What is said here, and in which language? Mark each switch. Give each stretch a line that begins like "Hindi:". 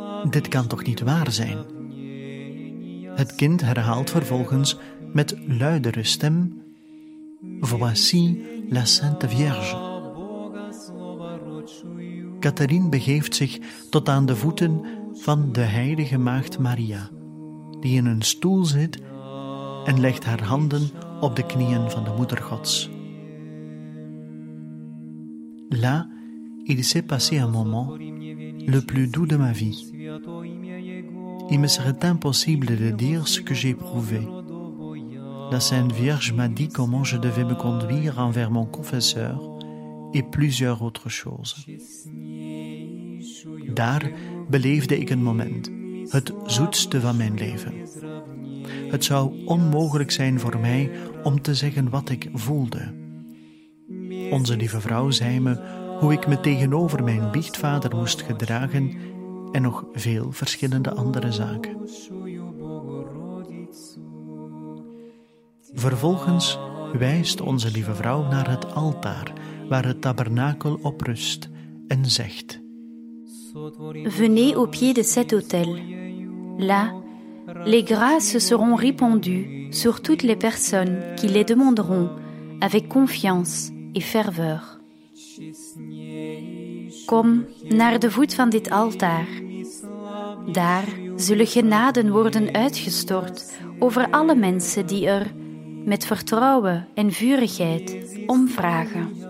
Dutch: Dit kan toch niet waar zijn? Het kind herhaalt vervolgens met luidere stem:
French: voici la Sainte Vierge.
Dutch: Catherine begeeft zich tot aan de voeten van de heilige maagd Maria, die in een stoel zit en legt haar handen op de knieën van de Moeder Gods.
French: Là, il s'est passé un moment le plus doux de ma vie. Il me serait impossible de dire ce que j'ai éprouvé. La Sainte Vierge m'a dit comment je devais me conduire envers mon confesseur et plusieurs autres choses.
Dutch: Daar beleefde ik een moment, het zoetste van mijn leven. Het zou onmogelijk zijn voor mij om te zeggen wat ik voelde. Onze lieve vrouw zei me hoe ik me tegenover mijn biechtvader moest gedragen en nog veel verschillende andere zaken. Vervolgens wijst onze lieve vrouw naar het altaar waar het tabernakel op rust en zegt:
French: Venez au pied de cet autel. Là, les grâces seront répandues sur toutes les personnes qui les demanderont avec confiance et ferveur.
Dutch: Kom naar de voet van dit altaar. Daar zullen genaden worden uitgestort over alle mensen die er met vertrouwen en vurigheid om vragen.